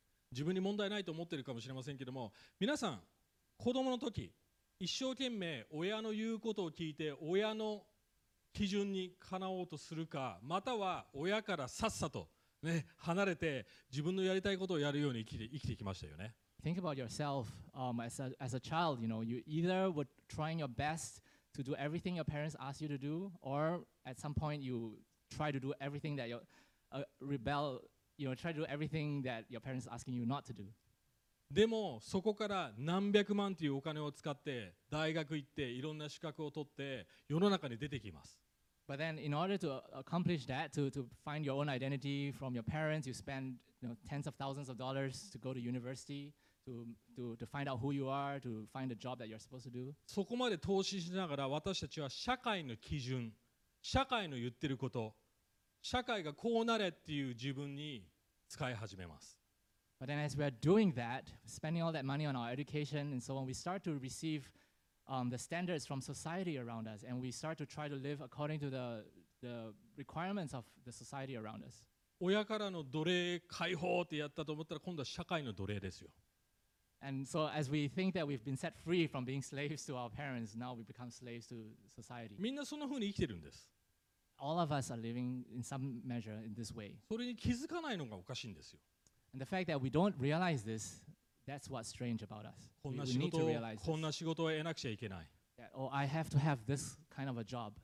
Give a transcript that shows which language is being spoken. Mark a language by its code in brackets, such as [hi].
[ja] 自分に問題ないと思っているかもしれませんけども、皆さん、子供の時、一生懸命親の言うことを聞いて親の基準にかなおうとするか、または親からさっさと、ね、離れて自分のやりたいことをやるように生きてきましたよね。 [en] Think about yourself as a child. You know, you either were trying your best to do everything your parents asked you to do, or at some point you try to do everything that rebel. You know, try to do everything that your parents asking you not to do. [ja] でもそこから何百万というお金を使って大学行っていろんな資格を取って世の中に出てきます。 [en] But then in order to accomplish that, to find your own identity from your parents, you spend you know, tens of thousands of dollars to go to university, to find out who you are, to find a job that you're supposed to do. [ja] そこまで投資しながら私たちは社会の基準、社会の言ってること、社会がこうなれっていう自分に使い始めます。 [en] But then as we are doing that, spending all that money on our education and so on, we start to receive the standards from society around us and we start to try to live according to the requirements of the society around us. [ja] 親からの奴隷解放ってやったと思ったら今度は社会の奴隷ですよ。 [en] And so as we think that we've been set free from being slaves to our parents, now we become slaves to society. [ja] みんなそんな風に生きてるんです。 [en] All of us are living in some measure in this way. [ja] それに気づかないのがおかしいんですよ。 [en] And the fact that we don't realize this, that's what's strange about us. [ja] こんな仕事を、こんな仕事を得なくちゃいけない。 [en] That, oh, I have to have this kind of a job.